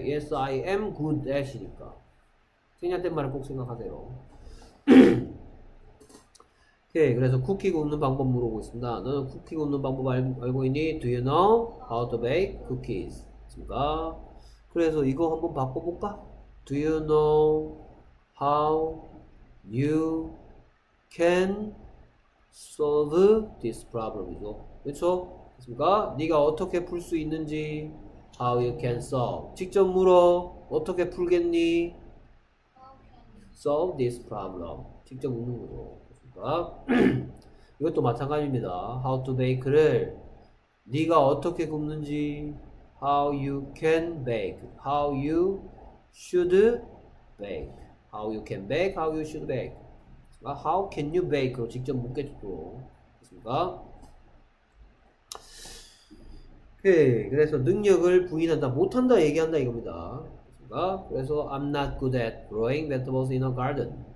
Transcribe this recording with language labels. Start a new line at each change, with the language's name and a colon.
English: Yes, I am good at이니까.
Korean: 생략된 말을 꼭 생각하세요. 오케이. 그래서 쿠키 굽는 방법 물어보고 있습니다. 너는 쿠키 굽는 방법 알고 있니?
English: Do you know how to bake cookies?
Korean: 했습니까? 그래서 이거 한번 바꿔볼까?
English: Do you know How you can solve this problem이죠.
Korean: 그쵸? 그니까, 네가 어떻게 풀수 있는지,
English: how you can solve.
Korean: 직접 물어, 어떻게 풀겠니?
English: Solve this problem.
Korean: 직접 묻는 거죠. 그니까, 이것도 마찬가지입니다.
English: How to bake를,
Korean: 네가 어떻게 굽는지,
English: how you can bake, how you should bake. How you can bake, how you should bake. How can you bake?
Korean: 직접 묻겠죠. 그렇습니까? 오케이. 그래서 능력을 부인한다. 못한다 얘기한다 이겁니다. 그렇습니까? 그래서
English: I'm not good at growing vegetables in a garden.